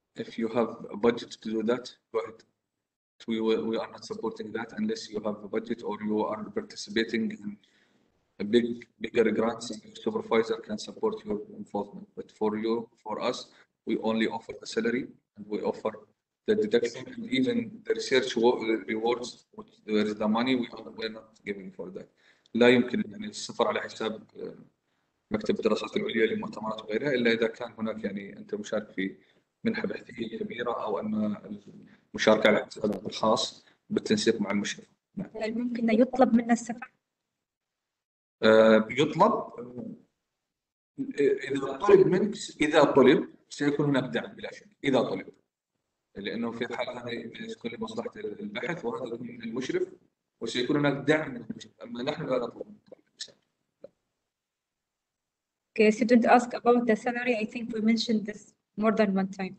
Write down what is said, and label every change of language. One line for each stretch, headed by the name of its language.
English: If you have a budget to do that, go ahead. We are not supporting that unless you have a budget or you are participating in a bigger grants. Your supervisor can support your involvement. But for you, for us, we only offer the salary and we offer the deduction and even the research rewards, which there is the money we're not giving for that.
Arabic: لا يمكن يعني السفر على حساب مكتب الدراسات العليا للمؤتمرات وغيرها الا اذا كان هناك يعني انت مشارك في منحه بحثيه كبيره او ان المشاركه على حساب الخاص بالتنسيق مع المشرف. هل ممكن يطلب منا السفر؟ يطلب اذا طلب منك، اذا طلب سيكون هناك دعم بلا شك اذا طلب، لانه في حال هذه كل مصلحه البحث وهذا من المشرف وسيكون هناك دعم من المشرف، اما نحن لا نطلب.
English: Okay, student ask about the salary. I think we mentioned this more than one time.